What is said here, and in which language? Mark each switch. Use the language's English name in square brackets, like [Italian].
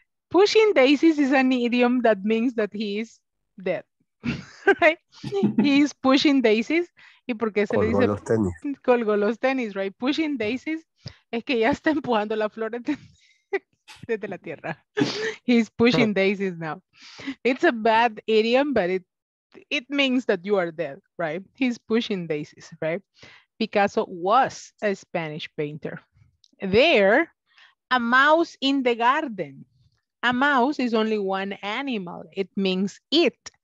[English] Pushing daisies is an idiom that means that he is dead, right? He's pushing daisies. [Spanish] ¿Y por qué se colgó le dice? Los tenis. Colgó los tenis, right? Pushing daisies es que ya está empujando la flor desde la tierra. [English] He's pushing daisies now. It's a bad idiom, but it means that you are dead, right? He's pushing daisies, right? Picasso was a Spanish painter. There, a mouse in the garden. A mouse is only one animal. It means it.